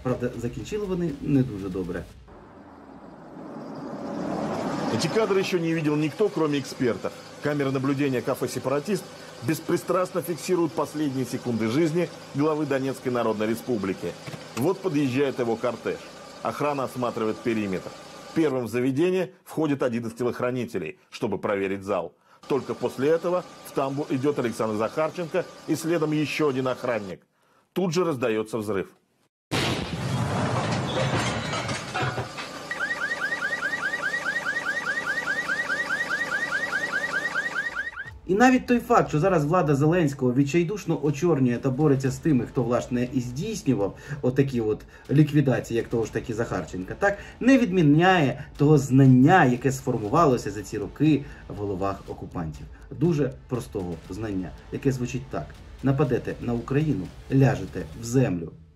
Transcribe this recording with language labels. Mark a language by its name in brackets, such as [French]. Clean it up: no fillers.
[Ukrainian] Правда, закінчили вони не дуже добре. Ці кадри ще не бачив ніхто, крім експерта. Камери наблюдення кафе «Сепаратист» безпристрасно фіксують останні секунди життя голови Донецької Народної Республіки. От під'їжджає його кортеж. [Russian] Охрана осматривает периметр. Первым в заведение входит один из телохранителей, чтобы проверить зал. Только после этого в тамбур идет Александр Захарченко и следом еще один охранник. Тут же раздается взрыв. [Ukrainian] І навіть той факт, що зараз влада Зеленського відчайдушно очорнює та бореться з тими, хто, власне, і здійснював отакі от ліквідації, як того ж таки Захарченка, так не відміняє того знання, яке сформувалося за ці роки в головах окупантів. Дуже простого знання, яке звучить так. Нападете на Україну, ляжете в землю.